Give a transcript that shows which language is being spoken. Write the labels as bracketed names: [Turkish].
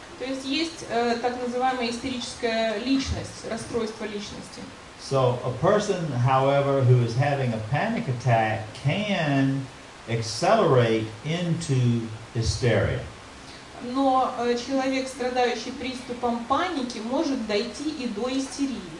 [Russian] То есть есть так называемая истерическая личность, расстройство личности. [English] So a person, however, who is having a panic attack can accelerate into hysteria. [Russian] Но человек, страдающий приступом паники, может дойти и до истерии.